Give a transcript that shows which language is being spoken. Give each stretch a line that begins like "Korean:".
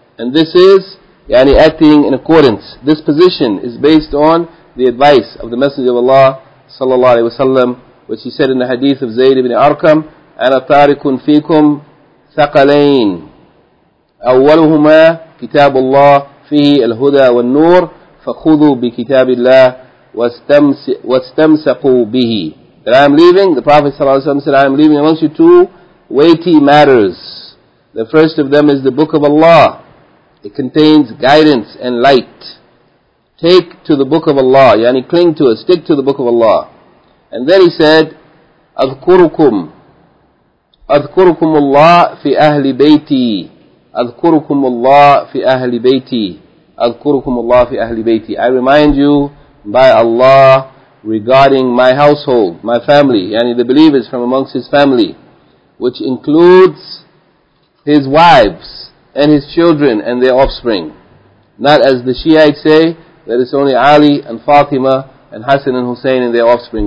English: And this is, yani acting in accordance. This position is based on the advice of the Messenger of Allah, sallallahu alaihi wasallam, which he said in the hadith of Zayd ibn Arqam,
Arabic: أَنَا تَارِكٌ فِيكُمْ ثَقَلَيْنِ أَوَّلُهُمَا كِتَابُ اللَّهِ فِيهِ الْهُدَى وَالنُّورِ فَخُذُوا بِكِتَابِ اللَّهِ وَاسْتَمْسَقُوا بِهِ.
English: That I am leaving, the Prophet ﷺ said, I am leaving amongst you two weighty matters. The first of them is the Book of Allah. It contains guidance and light. Take to the Book of Allah, yani cling to it, stick to the Book of Allah. And then he said,
Arabic: أَذْكُرُكُمُ اللَّهِ فِي أَهْلِ بَيْتِي أَذْكُرُكُمُ اللَّهِ فِي أَهْلِ بَيْتِي أَذْكُرُكُمُ اللَّهِ فِي أَهْلِ بَيْتِي.
English: I remind you by Allah regarding my household, my family, yani the believers from amongst his family, which includes his wives and his children and their offspring. Not as the Shiites say, that it's only Ali and Fatima and Hassan and Hussein and their offspring.